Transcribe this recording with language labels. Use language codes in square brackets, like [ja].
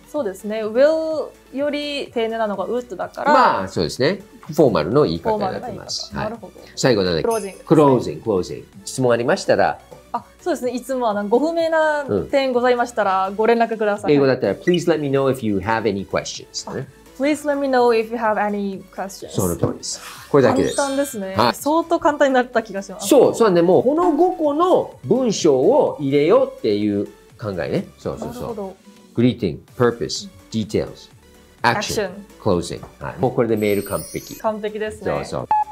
[ja] そうですね。Will より丁寧なのが Would だから。まあそうですね。フォーマルの言い方になってます。はい、なるほど。最後なんだっけ。Closing。 Closing。 質問ありましたら。あ、そうですね。いつもはご不明な点ございましたらご連絡ください。うん、英語だったら [en] Please let me know if you have any questions. Please let me know if you have any questions. [ja] その通りです。これだけです。簡単ですね。はい、相当簡単になった気がします。そう、そうね。もうこの5個の文章を入れようっていう考えね。そうそうそう。 [en] Greeting, purpose, details, action, closing.、 [ja] はい、もうこれでメール完璧。完璧ですね。そうそう。